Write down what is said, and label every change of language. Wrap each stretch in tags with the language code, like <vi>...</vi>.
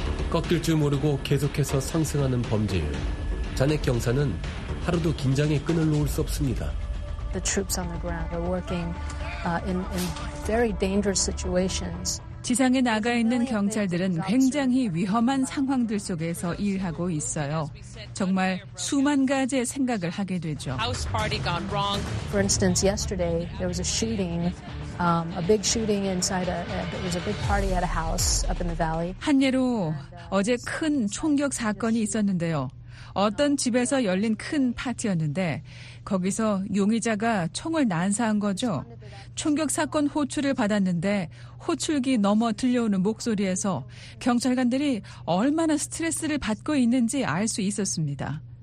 <ko>꺾일 줄 모르고 계속해서 상승하는 범죄율. 잔액 경사는 하루도 긴장의 끈을 놓을 수 없습니다.</ko> <en>The troops on the ground are working in very dangerous situations.</en> <ko>지상에 나가 있는 경찰들은 굉장히 위험한 상황들 속에서 일하고 있어요. 정말 수만 가지의 생각을 하게 되죠.</ko> <en>For instance, yesterday there was a shooting, a big shooting inside a there was a big party at a house up in the valley.</en> <ko>한 예로 어제 큰 총격 사건이 있었는데요. 어떤 집에서 열린 큰 파티였는데 거기서 용의자가 총을 난사한 거죠. 총격사건 호출을 받았는데 호출기 넘어 들려오는 목소리에서 경찰관들이 얼마나 스트레스를 받고 있는지 알 수 있었습니다.</ko>